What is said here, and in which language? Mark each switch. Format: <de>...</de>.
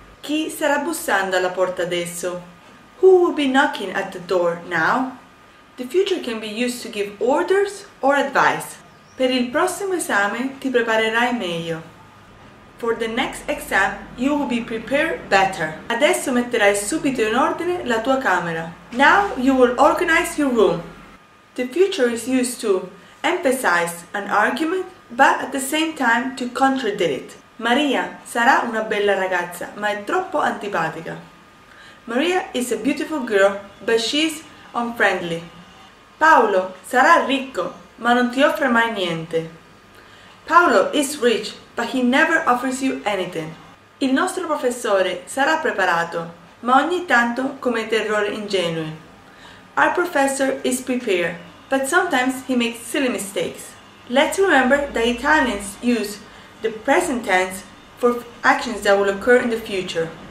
<it>Chi sarà bussando alla porta adesso?</it> <en>Who will be knocking at the door now? The future can be used to give orders or advice.</en> <it>Per il prossimo esame ti preparerai meglio.</it> <en>For the next exam, you will be prepared better.</en> <it>Adesso metterai subito in ordine la tua camera.</it> <en>Now you will organize your room. The future is used to emphasize an argument, but at the same time to contradict it.</en> <it>Maria sarà una bella ragazza, ma è troppo antipatica.</it> <en>Maria is a beautiful girl, but she's unfriendly.</en> <it>Paolo sarà ricco, ma non ti offre mai niente.</it> <en>Paolo is rich, but he never offers you anything.</en> <it>Il nostro professore sarà preparato, ma ogni tanto commette errori ingenui.</it> <en>Our professor is prepared, but sometimes he makes silly mistakes. Let's remember that Italians use the present tense for actions that will occur in the future.</en>